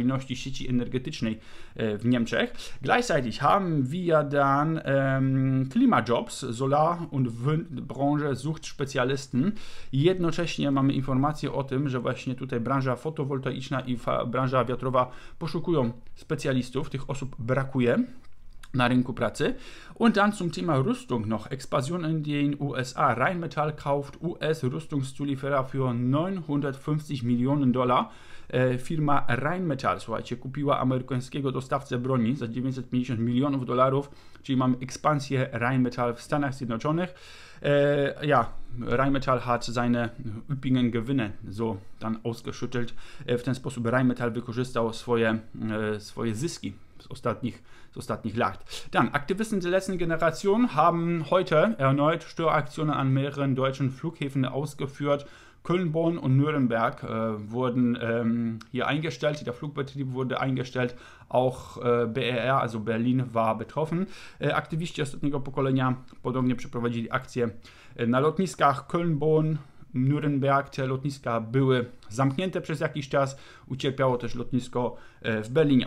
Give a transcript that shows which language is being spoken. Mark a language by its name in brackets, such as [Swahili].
[Polish] stabilności sieci energetycznej w Niemczech. [German] Gleichzeitig haben wir dann Klimajobs, Solar- und Windbranche sucht Spezialisten. [Polish] Jednocześnie mamy informację o tym, że właśnie tutaj branża fotowoltaiczna i branża wiatrowa poszukują specjalistów, tych osób brakuje na rynku pracy. [German] Und dann zum Thema Rüstung noch. Expansion in den USA. Rheinmetall kauft US-Rüstungszulieferer für 950 Millionen Dollar. [Polish] Firma Rheinmetall, słuchajcie, kupiła amerykańskiego dostawcę broni za 950 milionów dolarów, czyli mamy ekspansję Rheinmetall w Stanach Zjednoczonych. [German] Ja, Rheinmetall hat seine üppigen Gewinne so dann ausgeschüttelt. [Polish] W ten sposób Rheinmetall wykorzystał swoje zyski z ostatnich lat. [German] Dann, Aktivisten der letzten Generation haben heute erneut Störaktionen an mehreren deutschen Flughäfen ausgeführt. Köln, Bonn und Nürnberg wurden hier eingestellt, der Flugbetrieb wurde eingestellt, auch BER, also Berlin, war betroffen. [Polish] Aktiviści ostatniego pokolenia podobnie przeprowadzili akcje na lotniskach Köln, Bonn, Nürnberg. Te lotniska były zamknięte przez jakiś czas, ucierpiało też lotnisko w Berlinie.